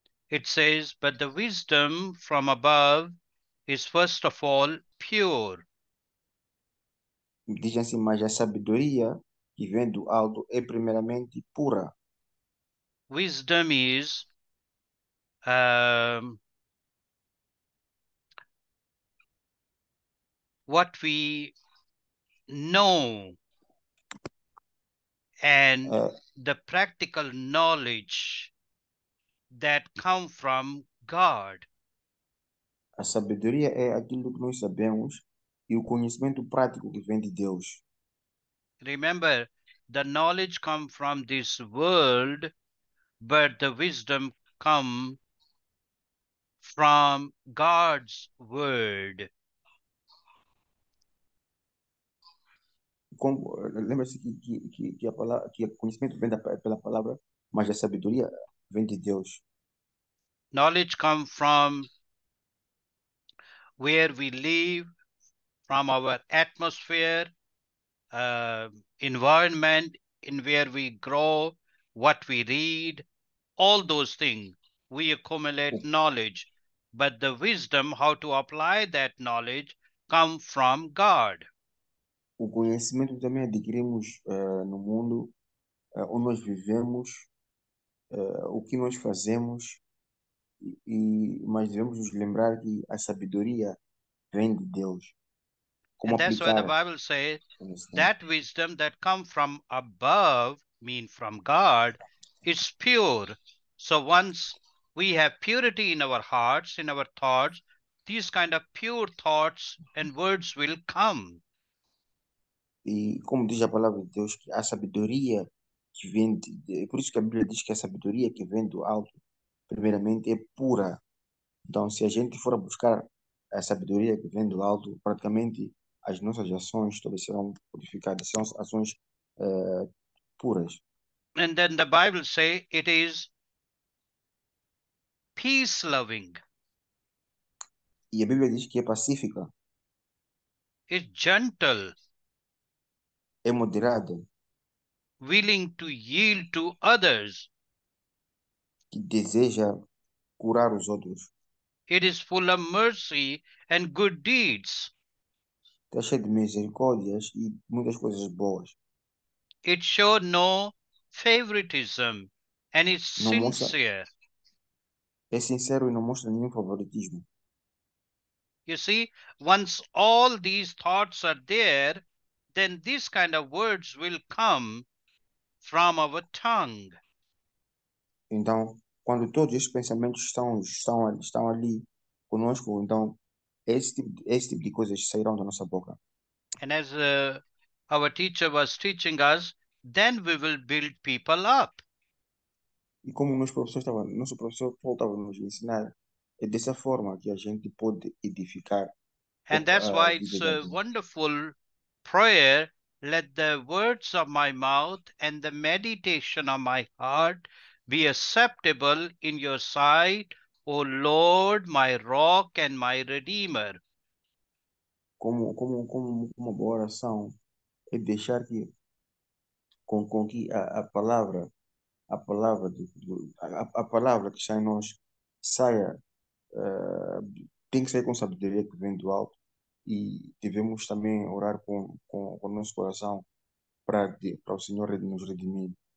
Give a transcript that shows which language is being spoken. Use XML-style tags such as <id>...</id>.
<en>It says, but the wisdom from above is first of all pure.</en> <pt>Diz assim, mas a sabedoria que vem do alto é primeiramente pura.</pt> <en>Wisdom is what we know and the practical knowledge that come from God.</en> <pt>A sabedoria é aquilo que nós sabemos e o conhecimento prático que vem de Deus.</pt> <en>Remember, the knowledge come from this world, but the wisdom come from God's word.</en> <pt>Lembra-se que o conhecimento vem pela palavra, mas a sabedoria vem de Deus.</pt> <en>Knowledge comes from where we live, from our atmosphere, environment, in where we grow, what we read, all those things. We accumulate knowledge, but the wisdom how to apply that knowledge comes from God.</en> <pt>O conhecimento também adquirimos no mundo onde nós vivemos, o que nós fazemos, mas devemos nos lembrar que a sabedoria vem de Deus. Como</pt> <en>And that's why the</en> <pt>aplicar</pt> <en>Bible says</en> <pt>o conhecimento?</pt> <en>that wisdom that come from above, mean from God, is pure. So once we have purity in our hearts, in our thoughts, these kind of pure thoughts and words will come.</en> <pt>E como diz a palavra de Deus, a sabedoria que vem de, por isso que a Bíblia diz que a sabedoria que vem do alto, primeiramente é pura. Então, se a gente for buscar a sabedoria que vem do alto, praticamente as nossas ações talvez serão purificadas, são ações puras.</pt> <en>And then the Bible say it is peace loving.</en> <pt>E a Bíblia diz que é pacífica.</pt> <en>It's gentle.</en> <pt>É moderado.</pt> <en>Willing to yield to others.</en> <pt>Que deseja curar os outros.</pt> <en>It is full of mercy and good deeds.</en> <pt>Está cheio de misericórdias e muitas coisas boas.</pt> <en>It show no favoritism and is sincere.</en> <pt>É sincero e não mostra nenhum favoritismo.</pt> <en>You see, once all these thoughts are there, then these kind of words will come from our tongue.</en> <pt>Então, quando todos esses pensamentos estão ali conosco, então esse tipo de coisas sairão da nossa boca.</pt> <en>And as our teacher was teaching us, then we will build people up.</en> <pt>E como nosso professor voltava a nos ensinar, é dessa forma que a gente pode edificar.</pt> <en>And that's why it's a wonderful prayer. Let the words of my mouth and the meditation of my heart be acceptable in your sight, O Lord, my rock and my redeemer.</en> <pt>Como uma boa oração é deixar que com que a palavra que está em nós saia, tem que sair com sabedoria que vem do alto, e devemos também orar com o nosso coração para o Senhor nos redimir.</pt>